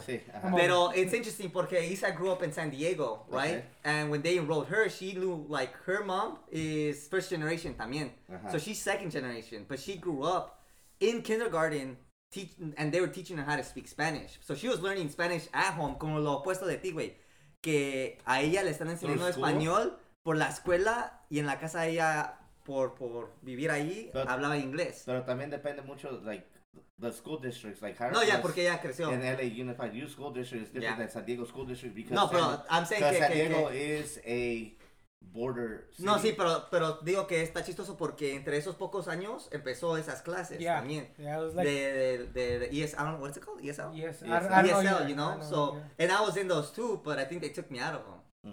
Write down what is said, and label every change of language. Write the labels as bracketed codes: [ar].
[en] But it's interesting [es] porque [en] Isa grew up in San Diego, right? Okay. And when they enrolled her, she knew, like, her mom is first generation [es] también. [en] Uh-huh. So she's second generation. But she grew up in kindergarten and they were teaching her how to speak Spanish. So she was learning Spanish at home, [es] como lo opuesto de ti, güey. Que a ella le están enseñando español por la escuela y en la casa de ella por vivir ahí, [en] but, [es] hablaba inglés. Pero también depende mucho, [en] like, the school districts, like Harris. [es] No, [en] yeah, [es] porque ya creció. [en] In LA Unified Youth School District is different than San Diego School District because [es] no, pero [en] I'm saying San Diego is a border city. [es] No, sí, pero digo que está chistoso porque entre esos pocos años empezó esas clases también. [en] Yeah, it was like... The ESL, what's it called? ESL? ESL. ESL, know, you know? Know? So, and I was in those too, but I think they took me out of them.